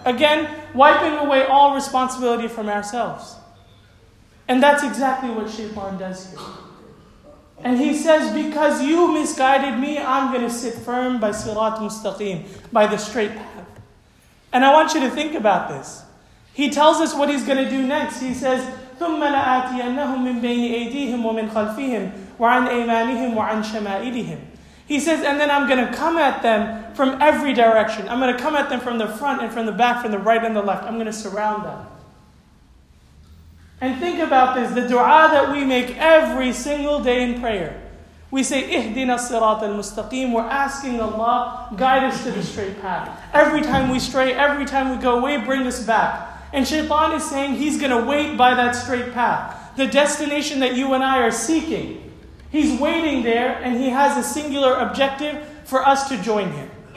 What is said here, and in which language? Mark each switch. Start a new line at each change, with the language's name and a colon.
English: Again, wiping away all responsibility from ourselves. And that's exactly what Shaytan does here. And he says, because you misguided me, I'm going to sit firm by Sirat Mustaqim, by the straight path. And I want you to think about this. He tells us what he's going to do next. He says,
Arabic: ثُمَّ لَآتِيَنَّهُمْ مِنْ بَيْنِ أَيْدِيهِمْ وَمِنْ خَلْفِهِمْ وَعَنْ أَيْمَانِهِمْ وَعَنْ شَمَائِلِهِمْ.
English: He says, and then I'm going to come at them from every direction. I'm going to come at them from the front and from the back, from the right and the left. I'm going to surround them. And think about this, the dua that we make every single day in prayer. We say,
Arabic: اِهْدِنَا الصِّرَاطَ الْمُسْتَقِيمُ.
English: We're asking Allah, guide us to the straight path. Every time we stray, every time we go away, bring us back. And Shaytan is saying he's going to wait by that straight path, the destination that you and I are seeking. He's waiting there, and he has a singular objective for us to join him.